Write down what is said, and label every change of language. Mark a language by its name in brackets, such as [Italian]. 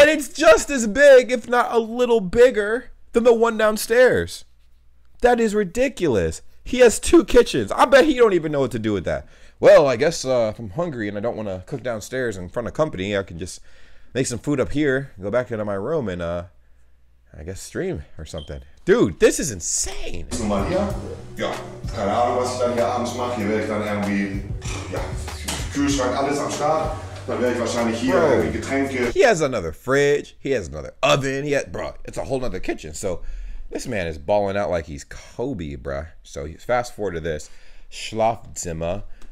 [English] and it's just as big, if not a little bigger, than the one downstairs. That is ridiculous. He has two kitchens. I bet he don't even know what to do with that. Well, I guess if I'm hungry and I don't want to cook downstairs in front of company, I can just make some food up here, go back into my room, and I guess stream or something. Dude, this is insane. [German] Keine Ahnung, was ich dann hier abends mache. Hier werde ich dann irgendwie, ja, Kühlschrank, alles am Start. dann werde ich wahrscheinlich hier irgendwie Getränke. [English] He has another fridge, he has another oven, he has, bro, it's a whole nother kitchen. So this man is balling out like he's Kobe, bro. So fast forward to this. Schlafzimmer.